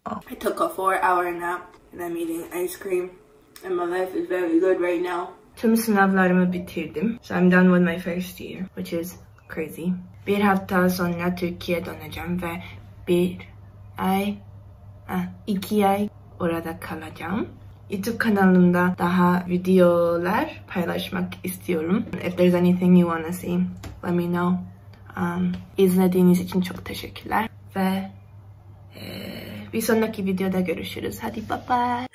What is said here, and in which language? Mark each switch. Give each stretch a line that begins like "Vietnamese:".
English: I took a 4-hour nap and I'm eating ice cream and my life is very good right now.
Turkish: Tüm sınavlarımı bitirdim.
English: So I'm done with my first year, which is crazy.
Turkish: Bir hafta sonra Türkiye'ye döneceğim ve iki ay orada kalacağım. YouTube kanalımda daha videolar paylaşmak istiyorum.
English: If there's anything you wanna see, let me know.
Turkish: İzlediğiniz için çok teşekkürler. Ve bir sonraki videoda görüşürüz. Hadi bye bye.